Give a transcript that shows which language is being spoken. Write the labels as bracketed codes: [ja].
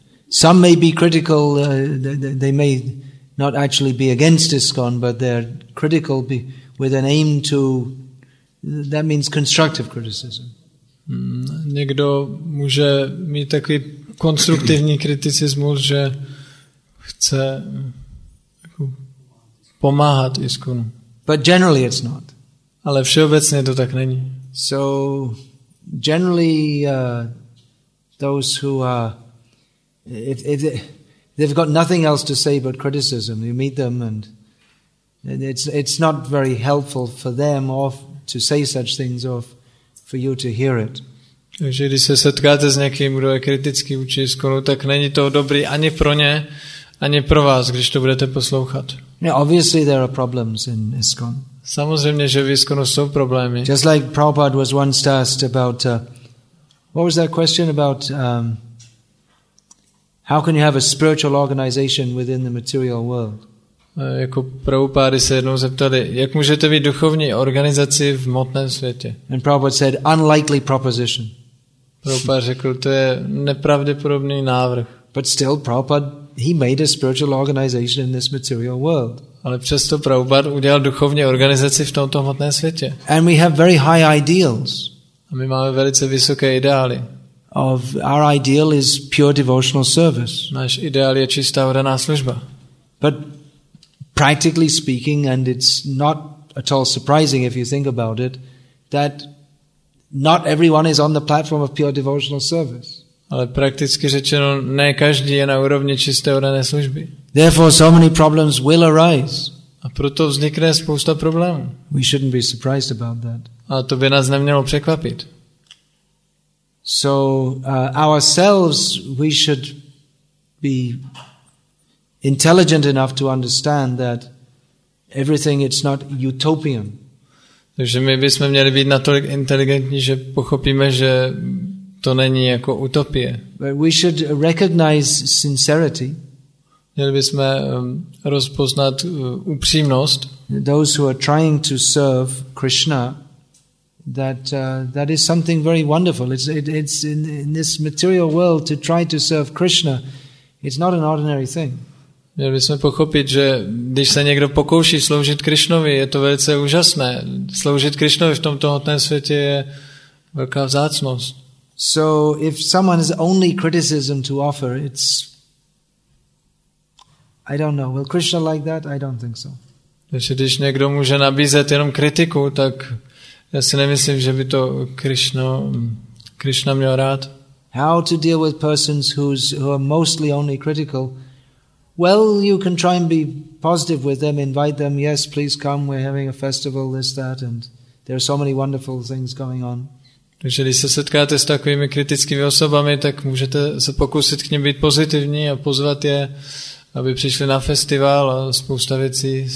[en] Some may be critical, they may not actually be against ISKCON, but they're critical with an aim to, that means constructive criticism. [cs] Někdo může mít takový konstruktivní kriticismus, že chce pomáhat ISKCONu. [en] But generally it's not. [cs] Ale všeobecně to tak není. [en] So generally those who are if they've got nothing else to say but criticism, you meet them and it's not very helpful for them or to say such things or for you to hear it. [cs] Takže když se setkáte s někým, kdo je kritický vůči ISKCONu, tak není to dobrý ani pro ně, ani pro vás, když to budete poslouchat. [en] Yeah, obviously there are problems in ISKCON. [cs] Samozřejmě, že v ISKCONu jsou problémy. [en] Just like Prabhupada was once asked about what was that question about how can you have a spiritual organization within the material world? [cs] Jako Prabhupáda se jednou zeptali, jak můžete být duchovní organizaci v hmotném světě? [en] And Prabhupada said, unlikely proposition. [cs] Prabhupáda řekl, to je nepravděpodobný návrh. [en] But still, Prabhupada, he made a spiritual organization in this material world. [cs] Ale přesto Prabhupáda udělal duchovní organizaci v tomto hmotném světě. [en] And we have very high ideals. [cs] A my máme velice vysoké ideály. [en] Of our ideal is pure devotional service. [cs] Náš ideál je čistá oddaná služba. [en] But practically speaking, and it's not at all surprising if you think about it, that not everyone is on the platform of pure devotional service. [cs] Ale prakticky řečeno, ne každý je na úrovni čisté oddané služby. [en] Therefore, so many problems will arise. [cs] A proto vznikne spousta problémů. [en] We shouldn't be surprised about that. [cs] A to by nás nemělo překvapit. [en] So ourselves, we should be intelligent enough to understand that everything, it's not utopian. [cs] Takže my bychom měli být natolik inteligentní, že pochopíme, že to není jako utopie. [en] But we should recognize sincerity. [cs] Měli bychom rozpoznat upřímnost. [en] Those who are trying to serve Krishna that is something very wonderful. It's in this material world to try to serve Krishna. It's not an ordinary thing. [cs] Měli bychom pochopit, že když se někdo pokouší sloužit Krišnovi, je to velice úžasné. Sloužit Krišnovi v tomto hmotném světě je velká vzácnost. [en] So if someone has only criticism to offer, it's, I don't know. Will Krishna like that? I don't think so. [cs] Takže když někdo může nabízet jenom kritiku, tak já si nemyslím, že by to Krišna měl rád. [en] How to deal with persons who are mostly only critical? Well, you can try and be positive with them, invite them, yes, please come, we're having a festival, this, that, and there are so many wonderful things going on. [cs] Takže když se setkáte s takovými kritickými osobami, tak můžete se pokusit k ním být pozitivní a pozvat je, aby přišli na festival a spousta věcí.